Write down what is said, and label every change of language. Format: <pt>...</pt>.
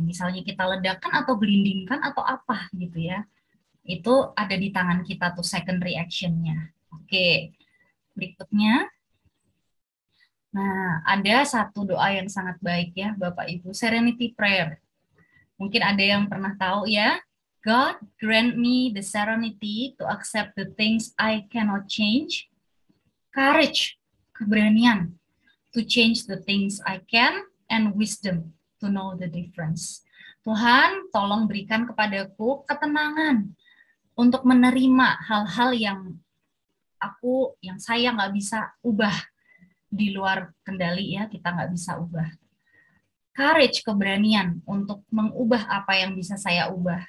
<id>Misalnya kita ledakan atau gelindingkan atau apa gitu ya. Itu ada di tangan kita tuh second reaction-nya. Oke. Berikutnya. Nah, ada satu doa yang sangat baik ya, Bapak Ibu. Serenity prayer. Mungkin ada yang pernah tahu ya.</id> <en>God grant me the serenity to accept the things I cannot change. Courage, keberanian, to change the things I can. And wisdom, to know the difference.</en> <id>Tuhan, tolong berikan kepadaku ketenangan untuk menerima hal-hal yang aku, yang saya nggak bisa ubah di luar kendali ya, kita nggak bisa ubah. Courage, keberanian untuk mengubah apa yang bisa saya ubah.</id>